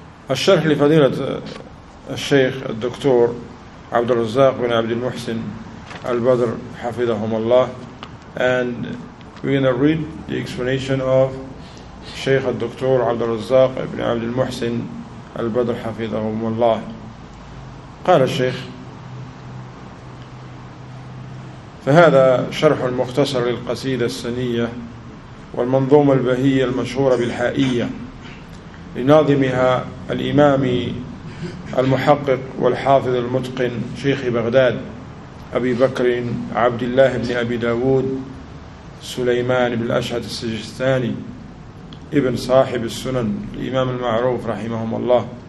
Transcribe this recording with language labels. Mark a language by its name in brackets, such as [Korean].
[Arabic] الشرح لفضيلة الشيخ الدكتور عبد الرزاق بن عبد المحسن البدر حفظهم الله. [English] And we're going to read the explanation of Shaykh al-Doktor عبد الرزاق بن عبد المحسن البدر حفظهم الله. [Arabic] قال الشيخ: فهذا شرح المختصر للقصيدة السنية والمنظومة البهية المشهورة بالحائية لناظمها الإمام المحقق والحافظ المتقن شيخ بغداد أبي بكر عبد الله بن أبي داود سليمان بن الأشعث السجستاني ابن صاحب السنن الإمام المعروف رحمهم الله.